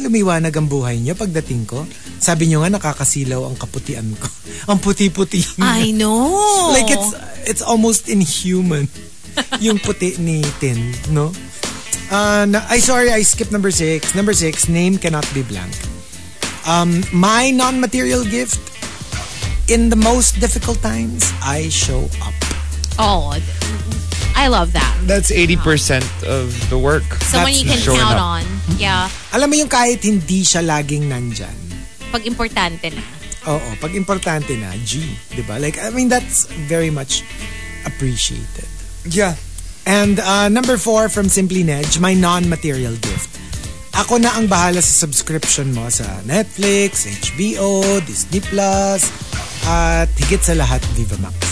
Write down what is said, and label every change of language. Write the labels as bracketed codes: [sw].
[tl] Lumiwanag ang buhay niyo pagdating ko. Sabi niyo nga, nakakasilaw ang kaputian ko. Ang puti-puti. [en] I know. Like, it's almost inhuman. [tl] Yung puti ni Tin, no? [en] I skipped number 6. Number 6, name cannot be blank. My non-material gift, in the most difficult times, I show up. Oh, I love that. That's 80% of the work. Someone that's you can count up. On. Yeah. [tl] Alam mo yung kahit hindi siya laging nandyan. Pag importante na. Oo, pag importante na, diba? [en] Like, I mean, that's very much appreciated. Yeah. And number 4 from Simply Nedge, my non-material gift. [tl] Ako na ang bahala sa subscription mo sa Netflix, HBO, Disney Plus, at higit sa lahat, Viva Max.